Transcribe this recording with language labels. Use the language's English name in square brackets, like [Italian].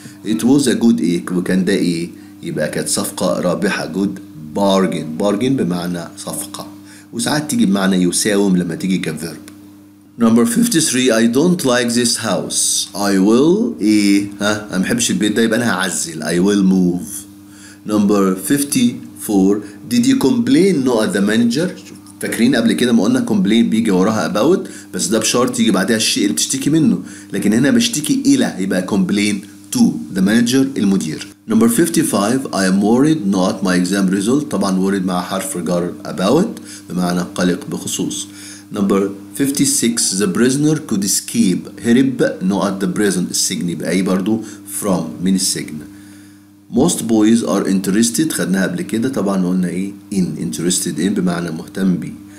[English] It was a good [Arabic] ايه, وكان ده ايه, يبقى كانت صفقة رابحة. [English] Good bargain. [Arabic] Bargain بمعنى صفقة, وساعات تيجي بمعنى يساوم لما تيجي كverb. [English] Number 53, I don't like this house. I will [Arabic] ايه, ها انا محبش البيت ده, يبقى انا هعزل. [English] I will move. Number 54, did you complain not at the manager? [Arabic] فاكرين قبل كده ما قلنا complain بيجي وراها about, بس ده بشرط يجي بعدها الشيء اللي بتشتكي منه. لكن هنا بشتكي الى, يبقى [English] complain to the manager, [Arabic] المدير. [English] Number 55, I am worried not my exam result. [Arabic] طبعا worried مع حرف جر about بمعنى قلق بخصوص. Number 56, [English] the prisoner could escape, [Arabic] هرب not the prison, السجن, يبقى اي برضو from, من السجن. [English] Most boys are interested, [Arabic] خدناها قبل كده طبعا, قلنا ايه in, interested in بمعنى مهتم بي.